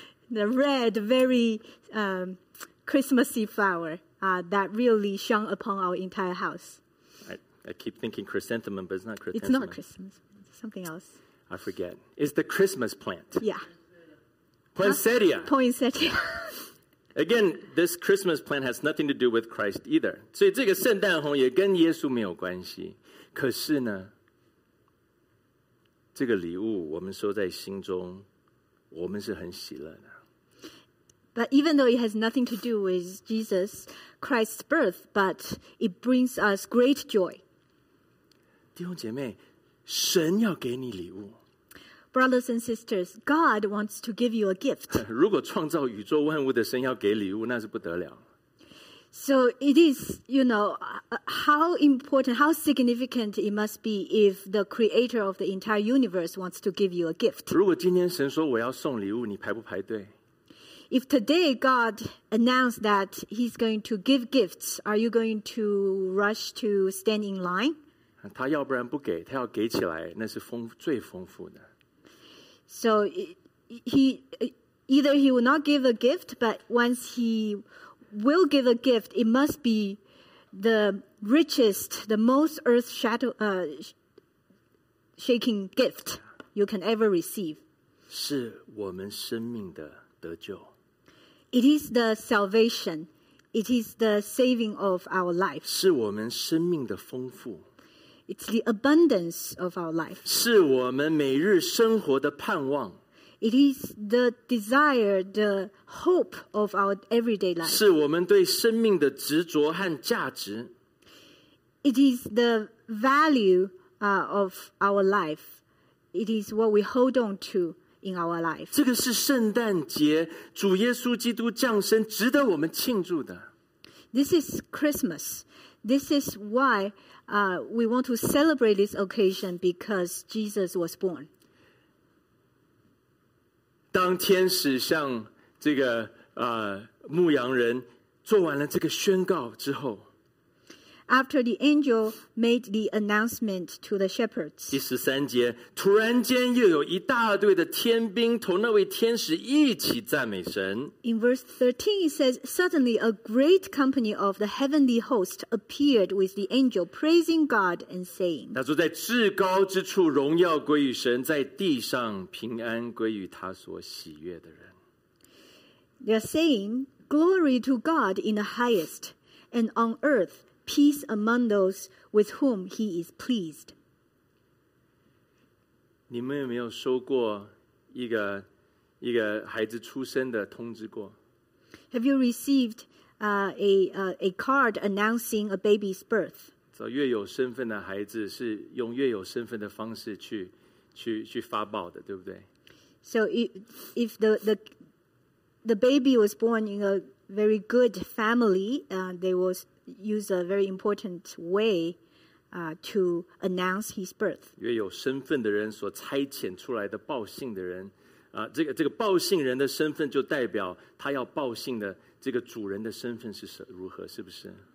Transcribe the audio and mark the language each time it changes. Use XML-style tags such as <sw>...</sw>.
<en>The red, very Christmassy flower that really shone upon our entire house. I keep thinking chrysanthemum, but it's not chrysanthemum. It's not Christmas. Something else. I forget. It's the Christmas plant. Yeah. Poinsettia. Poinsettia. Again, this Christmas plant has nothing to do with Christ either.</en> <zh>所以这个圣诞红也跟耶稣没有关系。可是呢，这个礼物我们收在心中，我们是很喜乐的。</zh> <en>But even though it has nothing to do with Jesus Christ's birth, but it brings us great joy.</en> <zh>弟兄姐妹，神要给你礼物。</zh> <en>Brothers and sisters, God wants to give you a gift.</en> <zh>如果创造宇宙万物的神要给礼物，那是不得了。</zh> <en>So it is, you know, how important, how significant it must be if the creator of the entire universe wants to give you a gift.</en> <zh>如果今天神说我要送礼物，你排不排队？</zh> <en>If today God announced that he's going to give gifts, are you going to rush to stand in line?</en> <zh>他要不然不给，他要给起来，那是丰最丰富的。</zh> <en>So he, either he will not give a gift, but once he will give a gift, it must be the richest, the most earth-shaking gift you can ever receive.</en> <zh>是我们生命的得救。</zh> <en>It is the salvation. It is the saving of our life.</en> <zh>是我们生命的丰富。</zh> <en>It's the abundance of our life.</en> <zh>是我们每日生活的盼望。</zh> <en>It is the desire, the hope of our everyday life.</en> <zh>是我们对生命的执着和价值。</zh> <en>It is the value, of our life. It is what we hold on to. In our life.</en> <zh>这个是圣诞节，主耶稣基督降生，值得我们庆祝的。</zh> <en>This is Christmas. This is why, we want to celebrate this occasion because Jesus was born.</en> <zh>当天使向这个牧羊人做完了这个宣告之后</zh> <en>，After the angel made the announcement to the shepherds,</en> <zh>第十三节，突然间又有一大队的天兵同那位天使一起赞美神。</zh> <en>In verse 13, it says, "Suddenly, a great company of the heavenly host appeared with the angel, praising God and saying."</en> <zh>他说，在至高之处荣耀归于神，在地上平安归于他所喜悦的人。</zh> <en>They're saying, "Glory to God in the highest, and on earth." Peace among those with whom he is pleased.</en> <zh>你们有没有收过一个孩子出生的通知过？</zh> <en>Have you received a card announcing a baby's birth?</en> <zh>越有身份的孩子是用越有身份的方式去发报的，对不对？</zh> <en>So if the baby was born in a very good family, they was. Use a very important way, to announce his birth.</en> <zh>越有身份的人所差遣出来的报信的人，这个报信人的身份就代表他要报信的这个主人的身份是如何，是不是</zh>